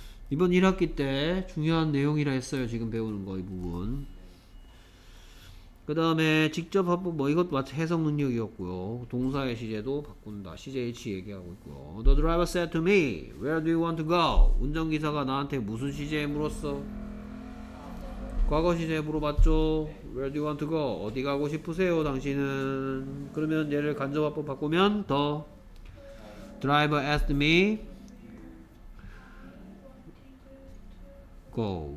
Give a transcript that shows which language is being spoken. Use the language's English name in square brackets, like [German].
[Korean] 이번 1학기 때 중요한 내용이라 했어요. 지금 배우는 거 이 부분. 그 다음에 직접 합법 뭐 이것도 마치 해석 능력이었고요. 동사의 시제도 바꾼다. 시제일치 얘기하고 있고요. [English] The driver said to me, Where do you want to go? [Korean] 운전기사가 나한테 무슨 시제에 물었어? 과거 시제에 물어봤죠. [English] Where do you want to go? [Korean] 어디 가고 싶으세요 당신은? 그러면 얘를 간접 합법 바꾸면 [English] The driver asked me go.